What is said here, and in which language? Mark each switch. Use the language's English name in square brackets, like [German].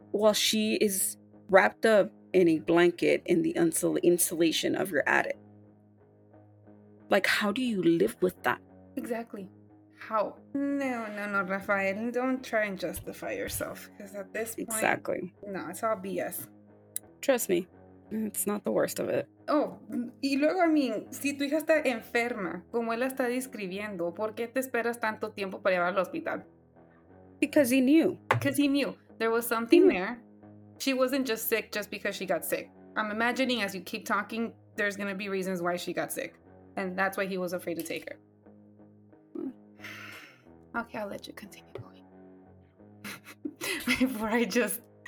[English] While she is wrapped up in a blanket in the insulation of your attic. Like, how do you live with that? Exactly. How? No, Rafael, don't try and justify yourself. Because at this point, exactly. No, it's all BS. Trust me, it's not the worst of it. [Spanish] Oh, y luego, [English] I mean, [Spanish] si tu hija está enferma, como él está describiendo, ¿por qué te esperas tanto tiempo para llevarla al hospital? [English] Because he knew. Because he knew. There was something there. She wasn't just sick just because she got sick. I'm imagining as you keep talking, there's going to be reasons why she got sick. And that's why he was afraid to take her. Okay, I'll let you continue going. Before I just...